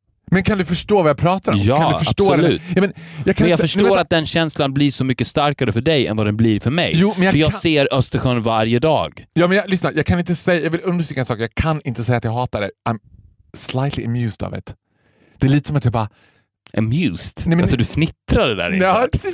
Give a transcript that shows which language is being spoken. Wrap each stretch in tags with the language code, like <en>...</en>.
<sv>Men kan du förstå vad jag pratar om? Ja, kan du förstå absolut. Det? Ja, men jag, kan men jag inte, förstår att den känslan blir så mycket starkare för dig än vad den blir för mig. Jo, men jag ser Östersjön varje dag. Ja, men lyssna. Jag kan inte säga... Jag vill understryka en sak. Jag kan inte säga att jag hatar det.</sv> <en>I'm slightly amused of it.</en> <sv>Det är lite som att jag bara... Amused? Nej, men alltså, du fnittrade där inne.</sv>